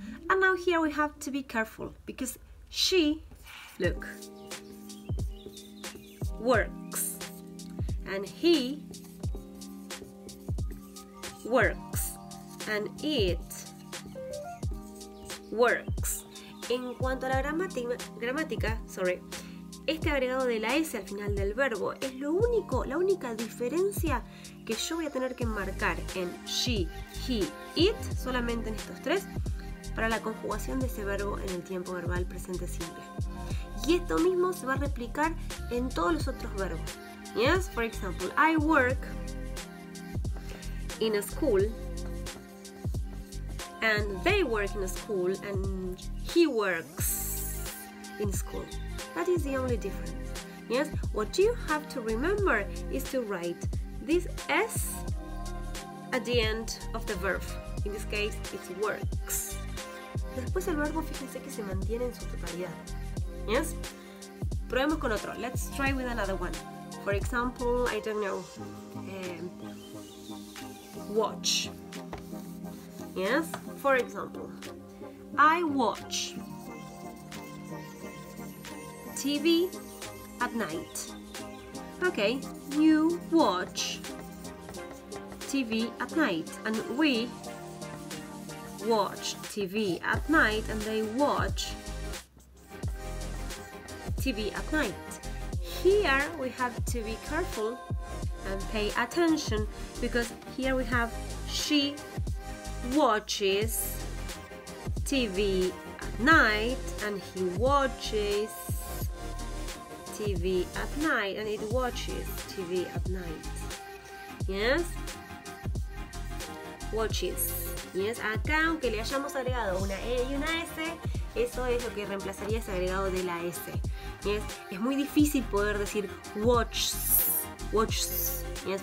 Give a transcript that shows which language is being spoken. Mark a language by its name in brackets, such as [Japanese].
[English] And now here we have to be careful because she, look, works, and he works, and it works. [Spanish] En cuanto a la gramática, este agregado de la S al final del verbo es lo único, la única diferencia que yo voy a tener que marcar en she, he, it, solamente en estos tres, para la conjugación de ese verbo en el tiempo verbal presente simple. Y esto mismo se va a replicar en todos los otros verbos. [English] Yes, for example, I work in a school, and they work in a school, and he works in school. That is the only difference. Yes, what you have to remember is to write this S at the end of the verb. In this case, it works. [Spanish] Después el verbo, fíjense que se mantiene en su totalidad. ¿Yes? Probemos con otro. [English] Let's try with another one. For example, I don't know. Watch. Yes? For example, I watch TV at night. Okay, you watch TV at night, and we watch TV at night, and they watch TV at night. Here we have to be careful and pay attention, because here we have she watches TV at night and he watches TV at night and it watches TV at night. Yes? Watches. [Spanish] Yes, acá aunque le hayamos agregado una E y una S, eso es lo que reemplazaría ese agregado de la S. Yes? Es muy difícil poder decir watches. Yes?